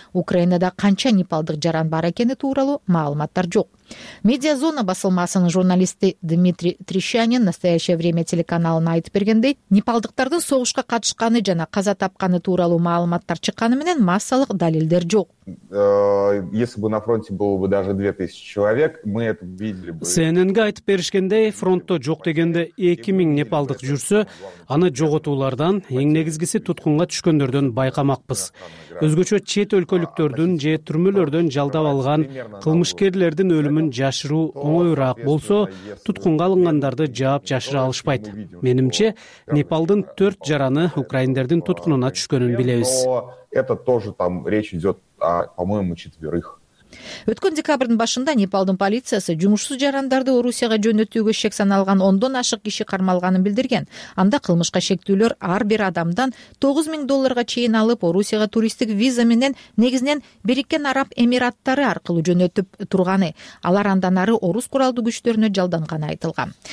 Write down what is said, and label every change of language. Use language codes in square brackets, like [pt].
[ky] Украинада канча непалдык жаран бар экени тууралуу маалыматтар жок. Медиазона басылмасынын журналисти Дмитрий Трещанин настоящее время телеканалына айтып бергендей, непалдыктардын согушка катышканы жана каза тапканы тууралуу маалыматтар чыкканы менен массалык далилдер жок. [ru] Если бы на фронте было бы даже 2000 человек, мы это видели бы. [ky] СНН-ге айтып беришкендей, фронтто жок дегенде 2000 непалдык жүрсө, аны жоготуулардан, эң негизгиси туткунга түшкөндөрдөн байкамакпыз. Өзгөчө чет өлкөлүктөрдүн же түрмөлөрдөн жалдап алган кылмышкерлердин өлүмүн жашыруу оңоюраак болсо, туткунга алынгандарды жаап жашыра алышпайт. Менимче, Непалдын 4 жараны украиндердин туткунуна түшкөнүн билебиз. [ru] Это тоже там речь идёт о, по-моему, четверых. [ky] Өткөн декабрдын башында Непалдын полициясы жумушсуз жарандарды Орусияга жөнөтүүгө шек саналган 10 ашык киши кармалганын билдирген. Анда кылмышка шектүүлөр ар бир адамдан 9 000 долларга чейин алып, Орусияга туристтик виза менен негизинен Бириккен Араб Эмираттары аркылуу жөнөтүп турганы, алар андан ары орус куралдуу күчтөрүнө жалданганы айтылган.